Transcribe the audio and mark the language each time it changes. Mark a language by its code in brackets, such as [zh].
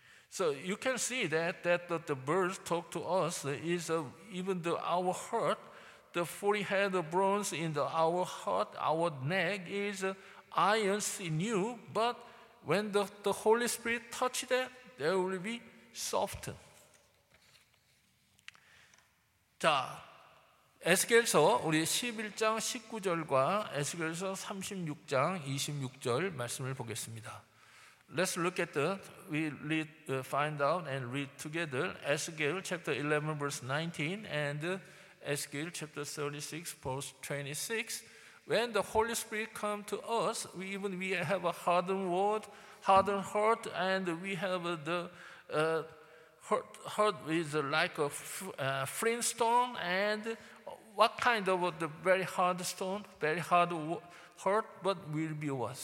[en] So you can see that the birds talk to us is even the our heart, the forehead of bronze in the our heart, our neck is iron sinew. But when the Holy Spirit touch that, there will be softened. [ko] 자, 에스겔서 우리 11장 19절과 에스겔서 36장 26절 말씀을 보겠습니다. [en] Let's look at find out and read together Ezekiel chapter 11 verse 19 and Ezekiel chapter 36 verse 26. When the Holy Spirit come to us, we have a hardened word, hardened heart, and we have the heart is like a flint stone and what kind of the very hard stone, very hard heart, but will be what?